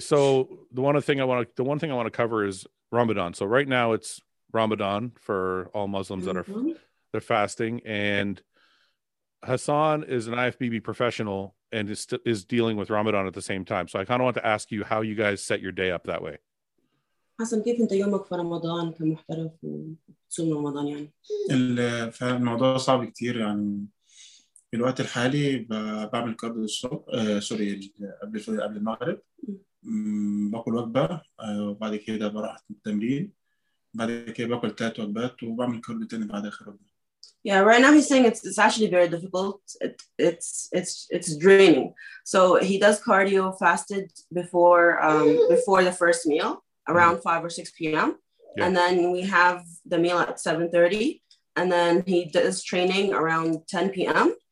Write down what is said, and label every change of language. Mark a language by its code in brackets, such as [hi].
[en] So the one thing I want to cover is Ramadan. So right now it's Ramadan for all Muslims that are, they're fasting. And Hassan is an IFBB professional and is dealing with Ramadan at the same time. So I kind of want to ask you how you guys set your day up that way. [ar] حسن كيف انت يومك في رمضان كمحترف وصوم رمضان يعني؟ الموضوع صعب كتير يعني في الوقت الحالي بعمل قبل الصبح سوري قبل المغرب باكل وجبة وبعد كده بروح التمرين بعد كده باكل ثلاث وجبات وبعمل كارديو تاني بعد اخر وجبة. [en] Yeah, right now he's saying it's actually very difficult. It's draining. So he does cardio fasted before the first meal around 5 or 6 p.m. Yeah. And then we have the meal at 7:30. And then he does training around 10 p.m.